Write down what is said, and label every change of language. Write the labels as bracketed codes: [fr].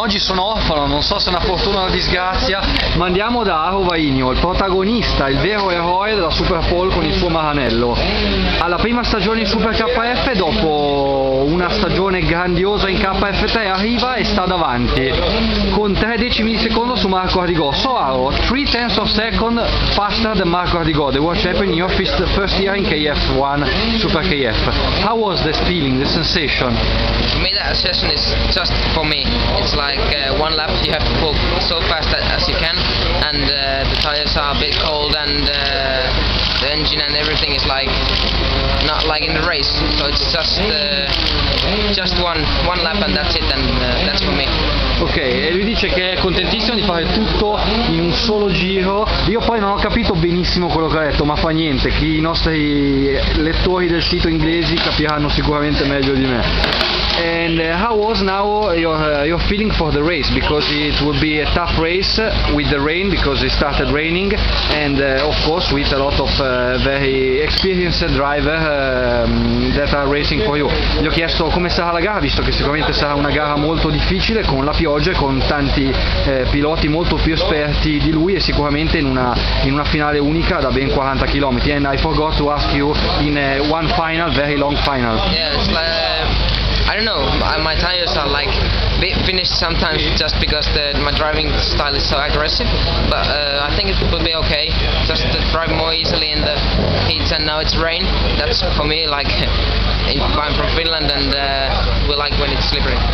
[it] Oggi sono orfano, non so se è una fortuna o una disgrazia, ma andiamo da Aro Vainio, il protagonista, il vero eroe della Super Pole con il suo Maranello. Alla prima stagione in Super KF, dopo una stagione grandiosa in KF3, arriva e sta davanti con 3 decimi di secondo su Marco Arrigo. [en] So Aro, 3 tenths of second faster than Marco Arrigo. The watch happened in your first year in KF1 Super KF. How was the feeling, the sensation? For me, that session is just for me. It's like one lap you have to pull so fast as you can, and the tires are a bit cold, and the engine and everything is like not like in the race. So it's just one lap and that's it, and that's for me. [it] Ok, e lui dice che è contentissimo di fare tutto in un solo giro. Io poi non ho capito benissimo quello che ha detto, ma fa niente, che i nostri lettori del sito inglesi capiranno sicuramente meglio di me. [en] And how was now your feeling for the race? Because it will be a tough race with the rain, because it started raining, and of course with a lot of very experienced drivers that are racing for you. [it] Gli ho chiesto come sarà la gara, visto che sicuramente sarà una gara molto difficile con la pioggia, con tanti piloti molto più esperti di lui, e sicuramente in una finale unica da ben 40 km. [en] And I forgot to ask you in one final, very long final. Yes, I don't know, my tires are like a bit finished sometimes just because my driving style is so aggressive, but I think it will be okay, just to drive more easily in the heat, and now it's rain, that's for me, like I'm from Finland and we like when it's slippery.